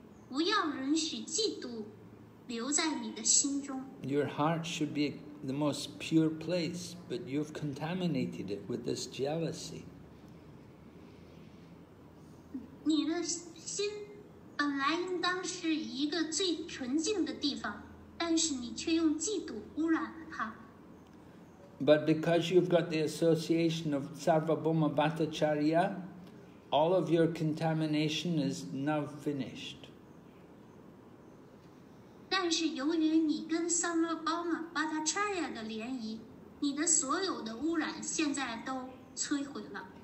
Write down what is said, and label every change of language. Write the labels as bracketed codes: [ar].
[zh] 不要允许嫉妒留在你的心中。 [en] Your heart should be the most pure place, but you've contaminated it with this jealousy. [zh] 你的心本来应当是一个最纯净的地方，但是你却用嫉妒污染了它。 [en] But because you've got the association of Sarvabhauma Bhattacharya, all of your contamination is now finished. [zh] 但是由于你跟 Sarvabhauma Bhattacharya 的联谊，你的所有的污染现在都摧毁了。